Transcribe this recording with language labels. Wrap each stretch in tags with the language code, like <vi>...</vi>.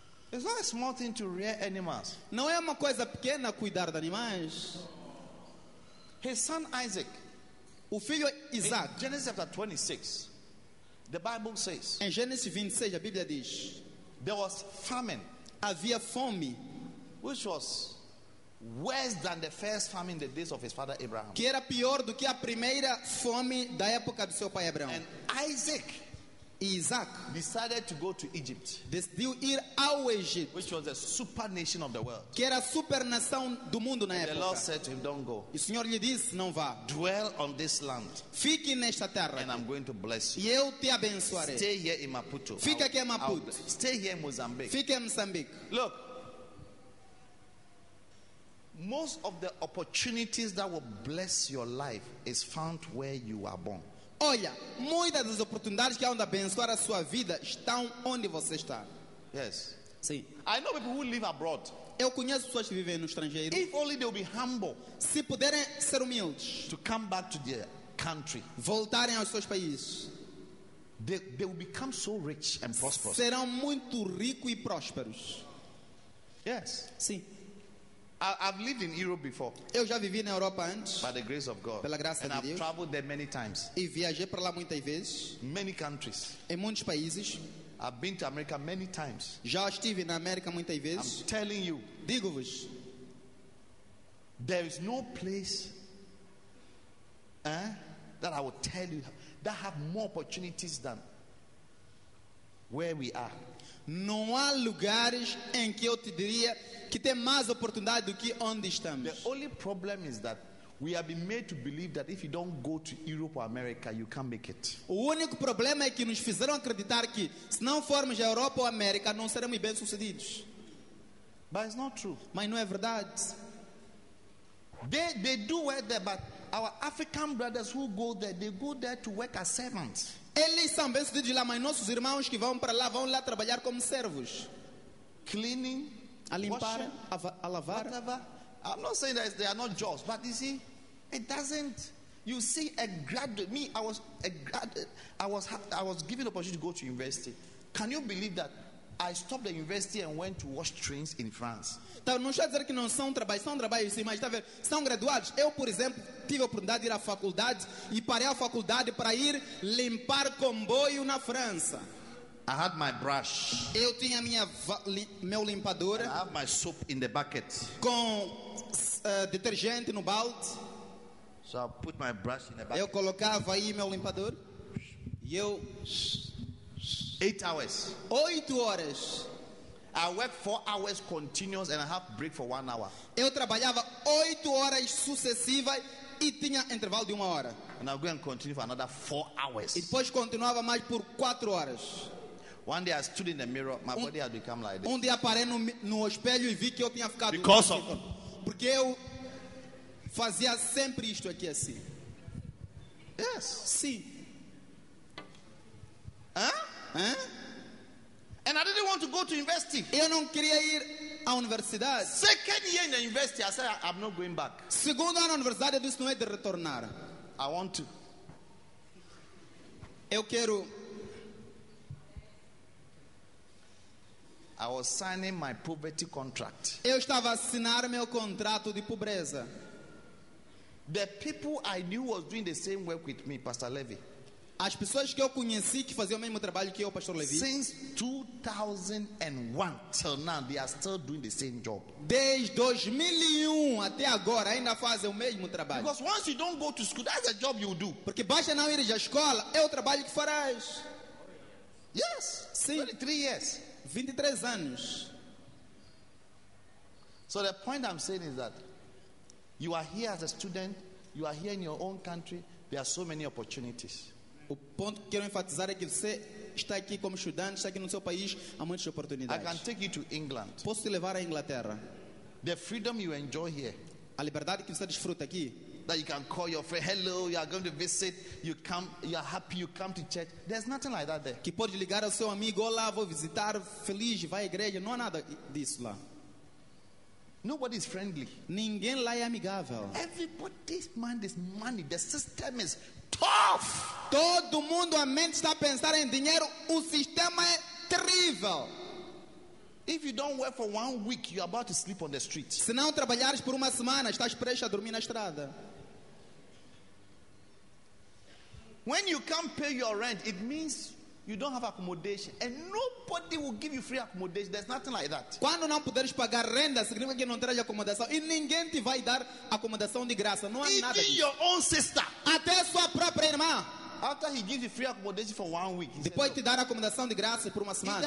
<en>It's not a small thing to rear animals.</en> <pt>Não é uma coisa pequena cuidar de animais.</pt> <en>His son Isaac,</en> <pt>o filho Isaac.</pt> <en>In Genesis chapter 26, the Bible says.</en> <pt>Em Gênesis 26, a Bíblia diz.</pt> <en>There was famine.</en> <pt>Havia fome,</pt> <en>which was worse than the first famine in the days of his father Abraham.</en> <pt>Que era pior do que a primeira fome da época do seu pai Abraão.</pt> <en>And Isaac.</en> <pt>Isaac</pt> <en>decided to go to Egypt.</en> <pt>Decidiu ir ao Egito,</pt> <en>which was a super nation of the world.</en> <pt>Que era super nação do mundo na</pt> <en>and The Lord said to him, "Don't go."</en> <pt>O Senhor lhe disse, não vá.</pt> <en>Dwell on this land.</en> <pt>Fique nesta terra.</pt> <en>And I'm going to bless you.</en> <pt>E eu te abençoarei.</pt> <en>Stay here in Maputo.</en> <pt>Fica aqui em Maputo.</pt> <en>Stay here in Mozambique.</en> <pt>Fique em Moçambique.</pt> <en>Look, most of the opportunities that will bless your life is found where you are born.</en> <pt>Olha, muitas das oportunidades que há onde abençoar a sua vida estão onde você está.</pt> <en>Yes.</en> <pt>Sim.</pt> <en>I know people who live abroad.</en> <pt>Eu conheço pessoas que vivem no estrangeiro.</pt> <en>If only they'll be humble.</en> <pt>Se puderem ser humildes.</pt> <en>To come back to their country.</en> <pt>Voltarem aos seus países.</pt> <en>They will become so rich and prosperous.</en> <pt>Serão muito ricos e prósperos.</pt> <en>Yes.</en> <pt>Sim.</pt> <en>I've lived in Europe before.</en> <pt>Eu já vivi na Europa antes.</pt> <en>By the grace of God.</en> <pt>Pela graça</pt> <en>and</en> <pt>de</pt> <en>I've</en> <pt>Deus.</pt> <en>And I've traveled there many times.</en> <pt>E viajei para lá muitas vezes.</pt> <en>Many countries.</en> <pt>Em muitos países.</pt> <en>I've been to America many times.</en> <pt>Já estive na América muitas vezes.</pt> <en>I'm telling you.</en> <pt>Digo-vos.</pt> <en>There is no place that I will tell you that have more opportunities than where we are.</en> <pt>Não há lugares em que eu te diria que tem mais oportunidade do que onde estamos.</pt> <en>The only problem is that we have been made to believe that if you don't go to Europe or America, you can't make it.</en> <pt>O único problema é que nos fizeram acreditar que se não formos à Europa ou à América, não seremos bem-sucedidos.</pt> <en>But it's not true.</en> <pt>Mas não é verdade.</pt> <en>They do work there, but our African brothers who go there, they go there to work as servants.</en> <pt>Eles são bem-sucedidos lá, mas nossos irmãos que vão para lá, vão lá trabalhar como servos.</pt> <en>Cleaning,</en> <pt>a limpar, a lavar.</pt> <en>Whatever. I'm not saying that they are not jobs, but you see, it doesn't. You see, a graduate, me, I was given the opportunity to go to university. Can you believe that I stopped the university and went to wash trains in France.</en> <pt>Então, não estou a dizer que não são trabalhos, são trabalhos, sim, mas está a ver, são graduados. Eu, por exemplo, tive a oportunidade de ir à faculdade e parei a faculdade para ir limpar comboio na França.</pt> <en>I had my brush.</en> <pt>Eu tinha minha meu limpador.</pt> <en>I have my soap in the bucket.</en> <pt>Com detergente no balde.</pt> <en>So I put my brush in the bucket.</en> <pt>Eu colocava aí meu limpador. E eu</pt> <en>8 hours.</en> <pt>8 horas.</pt> <en>I work 4 hours continuous and I have break for 1 hour.</en> <pt>Eu trabalhava 8 horas sucessivas e tinha intervalo de 1 hora.</pt> <en>And I go and continue for another 4 hours.</en> <pt>E depois continuava mais por 4 horas.</pt> <en>One day I stood in the mirror, my body had become like this.</en> <pt>Um dia parei no espelho e vi que eu tinha ficado</pt> <en>because of,</en> <pt>porque eu fazia sempre isto aqui assim.</pt> <en>Yes.</en> <pt>Sim.</pt> <en>And I didn't want to go to university.</en> <pt>Eu não queria ir à universidade.</pt> <en>Second year in the university, I said I'm not going back.</en> <pt>Segundo ano na universidade, eu disse não é de retornar.</pt> <en>I want to.</en> <pt>Eu quero.</pt> <en>I was signing my poverty contract.</en> <pt>Eu estava a assinar meu contrato de pobreza.</pt> <en>The people I knew was doing the same work with me, Pastor Levy.</en> <pt>As pessoas que eu conheci que faziam o mesmo trabalho que eu, Pastor Levi.</pt> <en>Since 2001 till now, they are still doing the same job.</en> <pt>Desde 2001 até agora ainda fazem o mesmo trabalho.</pt> <en>Because once you don't go to school, that's a job you do.</en> <pt>Porque basta não ir à escola, é o trabalho que farás.</pt> <en>Yes.</en> <pt>Sim.</pt> <en>23 years.</en> <pt>23 anos.</pt> <en>So the point I'm saying is that you are here as a student, you are here in your own country, there are so many opportunities.</en> <pt>O ponto que quero enfatizar é que você está aqui como estudante, está aqui no seu país, há muitas oportunidades.</pt> <en>I can take you to England.</en> <pt>Posso te levar à Inglaterra.</pt> <en>The freedom you enjoy here.</en> <pt>A liberdade que você desfruta aqui.</pt> <en>That you can call your friend, hello, you are going to visit, you come, you are happy, you come to church. There's nothing like that there.</en> <pt>Que pode ligar ao seu amigo, olá, vou visitar, feliz, vai à igreja, não há nada disso lá.</pt> <en>Nobody is friendly.</en> <pt>Ninguém lá é amigável.</pt> <en>Everybody's mind is money. The system is tough.</en> <pt>Todo mundo a mente está a pensar em dinheiro. O sistema é terrível.</pt> <en>If you don't work for 1 week, you're about to sleep on the street.</en> <pt>Se não trabalhares por uma semana, estás prestes a dormir na estrada.</pt> <en>When you can't pay your rent, it means you don't have accommodation, and nobody will give you free accommodation. There's nothing like that.</en> <pt>Quando não puderes pagar renda, significa que não terás acomodação, e ninguém te vai dar acomodação de graça. Não há</pt> <en>even</en> <pt>nada.</pt> <en>Even your own sister.</en> <pt>Até sua própria irmã.</pt> <en>After he gives you free accommodation for 1 week.</en> <pt>Depois te dar acomodação de graça por uma semana.</pt>